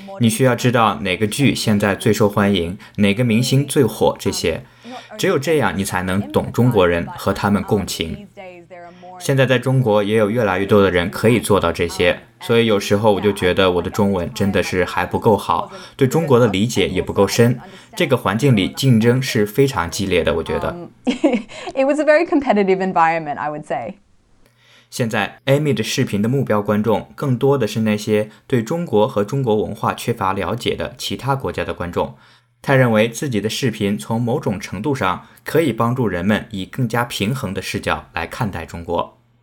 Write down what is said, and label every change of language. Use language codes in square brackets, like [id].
[zh] 你需要知道哪个剧现在最受欢迎，哪个明星最火，这些只有这样你才能懂中国人，和他们共情。现在在中国也有越来越多的人可以做到这些，所以有时候我就觉得我的中文真的是还不够好，对中国的理解也不够深，这个环境里竞争是非常激烈的，我觉得 [en] It was a very competitive environment, I would say。 [zh] 现在 Amy 的视频的目标观众更多的是那些对中国和中国文化缺乏了解的其他国家的观众，他认为自己的视频从某种程度上可以帮助人们以更加平衡的视角来看待中国。